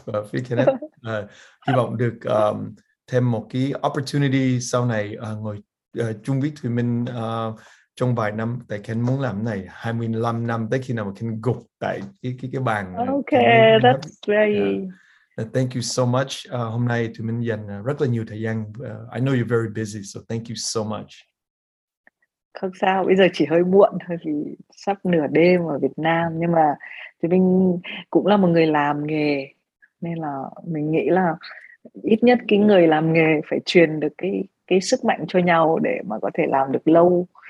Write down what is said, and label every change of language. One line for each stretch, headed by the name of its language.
Vietnamese: Phía Kenneth hy vọng được thêm một cái opportunity sau này ngồi chung với Thùy Minh trong vài năm, tại Ken muốn làm này 25 năm, tới khi nào mà Ken gục tại cái bàn.
English: Ok, that's great. Yeah. Thank you so much.
Vietnamese: Hôm nay Thùy Minh dành rất là nhiều thời gian.
English: I know you're very busy, so thank you so much.
Vietnamese: Không sao, bây giờ chỉ hơi muộn thôi vì sắp nửa đêm ở Việt Nam. Nhưng mà Thùy Minh cũng là một người làm nghề, nên là mình nghĩ là ít nhất cái người làm nghề phải truyền được cái sức mạnh cho nhau để mà có thể làm được lâu.